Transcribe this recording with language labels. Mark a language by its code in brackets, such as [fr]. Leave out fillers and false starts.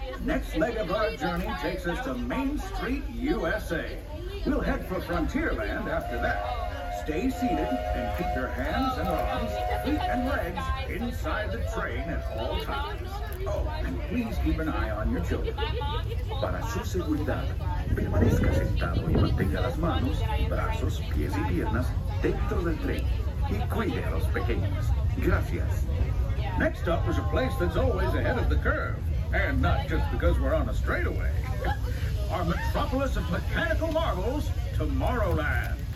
[en] Next leg of our journey takes us to Main Street, USA. We'll head for Frontierland after that. Stay seated and keep your hands and arms, feet and legs inside the train at all times. Oh, and please keep an eye on your children. [es] Para su seguridad, permanezca sentado y mantenga las manos, brazos, pies y piernas dentro del tren. Y cuide a los pequeños. Gracias. [en] Next up is a place that's always ahead of the curve. And not just because we're on a straightaway. Our metropolis of mechanical marvels, Tomorrowland.